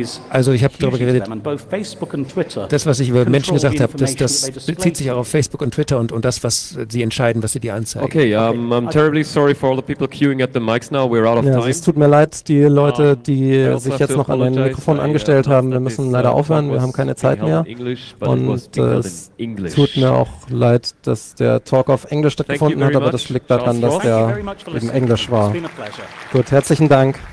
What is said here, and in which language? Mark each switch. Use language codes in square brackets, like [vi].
[de] Also ich habe darüber geredet, das, was ich über Menschen gesagt habe, das bezieht sich auch auf Facebook und Twitter und das, was sie entscheiden, was sie dir anzeigen. [en] Okay, I'm terribly sorry for all the people queuing at the mics now, we're out of time. [de] Ja, es tut mir leid, die Leute, die sich jetzt noch an den Mikrofon angestellt haben, wir müssen leider aufhören, wir haben keine Zeit mehr. Und es tut mir auch leid, dass der Talk auf Englisch stattgefunden hat, aber das liegt daran, dass der im Englisch war. Gut, herzlichen Dank.